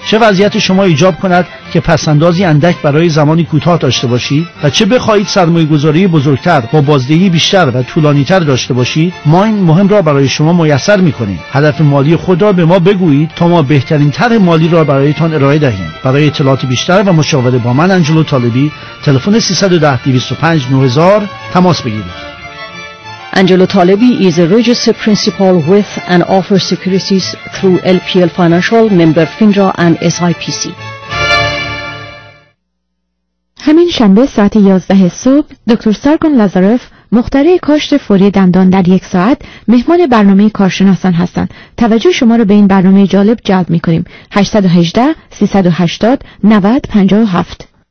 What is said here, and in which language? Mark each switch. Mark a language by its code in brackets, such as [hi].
[fa] چه وضعیت شما ایجاب کند که پسندازی اندک برای زمانی کوتاه داشته باشید و چه بخواهید سرمایه‌گذاری بزرگتر با بازدهی بیشتر و طولانی‌تر داشته باشید، ما این مهم را برای شما میسر می‌کنیم. هدف مالی خود را به ما بگویید تا ما بهترین طرح مالی را برایتان ارائه دهیم. برای اطلاعات بیشتر و مشاوره با من آنجلو طالبی، تلفن 310-205-9000 تماس بگیرید. [en] Angelo Talebi is a registered principal with and offers securities through LPL Financial, member FINRA and SIPC. [fa] همین شنبه ساعت 11 صبح دکتر سارگون لازارف، مخترع کاشت فوری دندان، در یک ساعت مهمان برنامه کارشناسان هستند. توجه شما را به این برنامه جالب جلب می کنیم. [en] 818-380-9057.